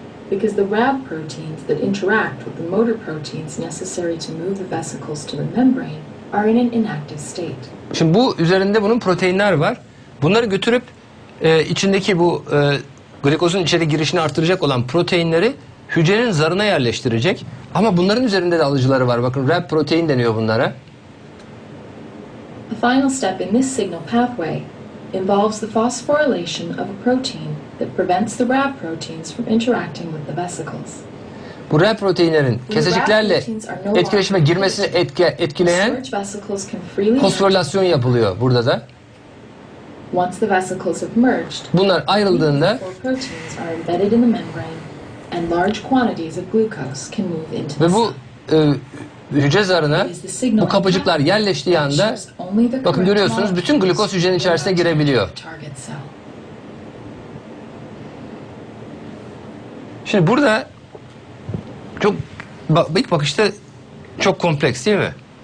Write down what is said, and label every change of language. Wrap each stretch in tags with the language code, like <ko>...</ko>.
<en>Because the Rab proteins that interact with the motor proteins necessary to move the vesicles to the membrane are in an inactive state.</en> <tr>Şimdi bu üzerinde bunun proteinler var. Bunları götürüp içindeki bu glikozun içeri girişini artıracak olan proteinleri hücrenin zarına yerleştirecek. Ama bunların üzerinde de alıcıları var. Bakın Rab protein deniyor bunlara.</tr> <en>The final step in this signal pathway involves the phosphorylation of a protein that prevents the Rab proteins from interacting with the vesicles.</en> <tr>Bu Rab proteinlerin keseciklerle etkileşime girmesini etkileyen fosforilasyon yapılıyor burada da.</tr> <en>Once the vesicles have merged,</en> <tr>bunlar ayrıldığında</tr> <en>proteins are embedded in the membrane and large quantities of glucose can move into the</en> <tr>hücre zarına bu kapıcıklar yerleştiği anda bakın görüyorsunuz bütün glikoz hücrenin içerisine girebiliyor. Şimdi burada çok ilk bakışta çok kompleks değil mi?</tr>